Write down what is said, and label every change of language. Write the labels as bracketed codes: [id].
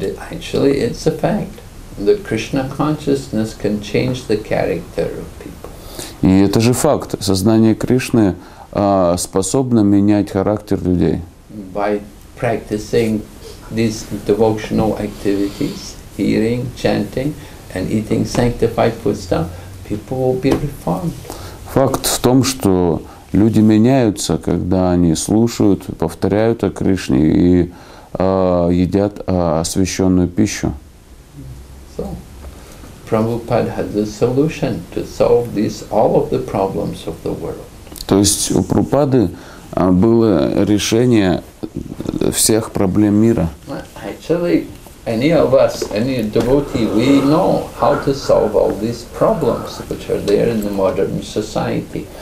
[en] Actually, it's a fact that Krishna consciousness can change the character of people. [ru] И это же факт. Сознание Кришны способно менять характер людей. [en] By practicing these devotional activities, hearing, chanting, and eating sanctified foodstuff, people will be reformed. [ru] Факт в том, что люди меняются, когда они слушают, повторяют о Кришне и едят освященную пищу. [en] So, Prabhupada has a solution to solve these all of the problems of the world. [ru] То есть у Прабхупады было решение всех проблем мира. [en] Actually, any of us, any devotee, we know how to solve all these problems which are there in the modern society.